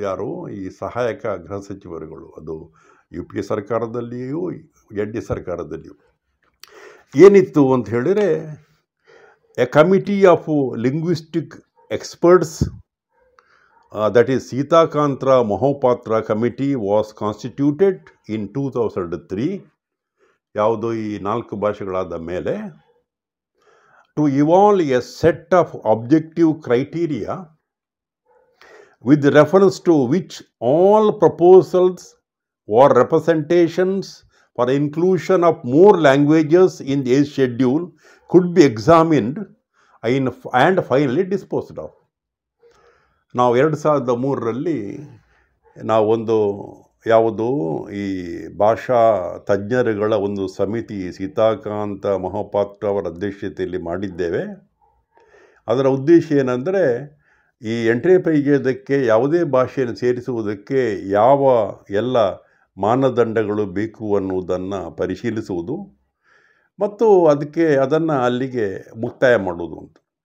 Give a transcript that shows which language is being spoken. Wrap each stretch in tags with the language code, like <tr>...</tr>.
<kn>ಯಾರು ಈ ಸಹಾಯಕ ಗೃಹ ಸಚಿವರುಗಳು, ಅದು U P A ಸರ್ಕಾರದಲ್ಲಿಯೂ N D A ಸರ್ಕಾರದಲ್ಲಿಯೂ ಏನಿತ್ತು ಅಂತ ಹೇಳಿದರೆ,</kn> <en>a committee of linguistic experts, that is Sitakant Mahapatra committee, was constituted in 2003,</en> <kn>ಯಾವುದೋ ಈ ನಾಲ್ಕು ಭಾಷೆಗಳಾದ ಮೇಲೆ,</kn> <en>To evolve a set of objective criteria with reference to which all proposals or representations for inclusion of more languages in the schedule could be examined and finally disposed of.</en> <kn>ನಾವು 2003 ನಾವು ಒಂದು ಯಾವುದು ಈ ಭಾಷಾ ತಜ್ಞರುಗಳ ಒಂದು ಸಮಿತಿ ಸೀತಾಕಾಂತ ಮಹಾಪಾತ್ರ ಅವರ ಅಧ್ಯಕ್ಷತೆಯಲ್ಲಿ ಮಾಡಿದ್ದೇವೆ. ಅದರ ಉದ್ದೇಶ ಏನಂದರೆ ಈ ಎಂಟನೇ ಪೈಜದಕ್ಕೆ ಯಾವುದೇ ಭಾಷೆಯನ್ನು ಸೇರಿಸುವುದಕ್ಕೆ ಯಾವ ಎಲ್ಲ ಮಾನದಂಡಗಳು ಬೇಕು ಅನ್ನುವುದನ್ನು ಪರಿಶೀಲಿಸುವುದು ಮತ್ತು ಅದಕ್ಕೆ ಅದನ್ನು ಅಲ್ಲಿಗೆ ಮುಕ್ತಾಯ ಮಾಡುವುದು ಅಂತ.</kn>